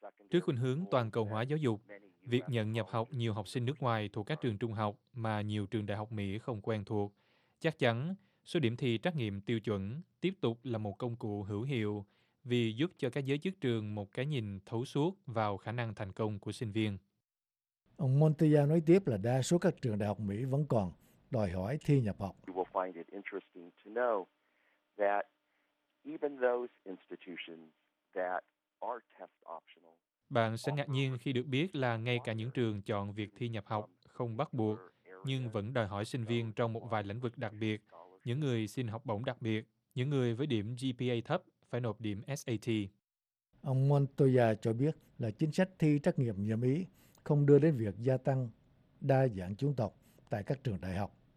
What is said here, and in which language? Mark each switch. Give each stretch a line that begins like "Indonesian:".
Vietnamese: Trước khuynh hướng toàn cầu hóa giáo dục, việc nhận nhập học nhiều học sinh nước ngoài thuộc các trường trung học mà nhiều trường đại học Mỹ không quen thuộc, chắc chắn số điểm thi trắc nghiệm tiêu chuẩn tiếp tục là một công cụ hữu hiệu vì giúp cho các giới chức trường một cái nhìn thấu suốt vào khả năng thành công của sinh viên. Ông Montoya nói tiếp là đa số các trường đại học Mỹ vẫn còn đòi hỏi thi nhập học.
English: You will find it interesting to know that even those institutions that are test optional.
Vietnamese: Bạn sẽ ngạc nhiên khi được biết là ngay cả những trường chọn việc thi nhập học không bắt buộc nhưng vẫn đòi hỏi sinh viên trong một vài lĩnh vực đặc biệt, những người xin học bổng đặc biệt, những người với điểm GPA thấp phải nộp điểm SAT. Ông Montoya cho biết là chính sách thi trắc nghiệm nhập Mỹ không đưa đến việc gia tăng đa dạng chủng tộc tại các trường đại học.